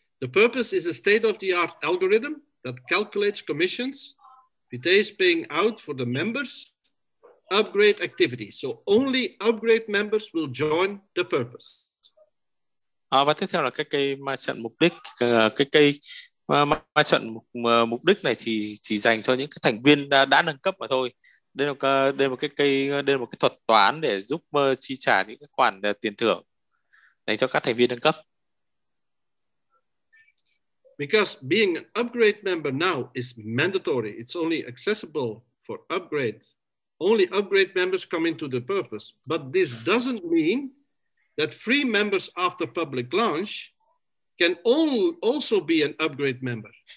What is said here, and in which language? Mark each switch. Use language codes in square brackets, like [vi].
[en] The purpose is a state-of-the-art algorithm that calculates commissions Vitae is paying out for the members upgrade activity. So only upgrade members will join the purpose. [vi] Và tiếp theo là cái cây ma trận mục đích. Cái cây ma trận mục đích này chỉ dành cho những cái thành viên đã nâng cấp mà thôi. Đây là một cái thuật toán để giúp chi trả những cái khoản tiền thưởng dành cho các thành viên nâng cấp. [en] Because being an upgrade member now is mandatory. It's only accessible for upgrade. Only upgrade members come into the purpose. But this doesn't mean that free members after public launch can also be an upgrade member.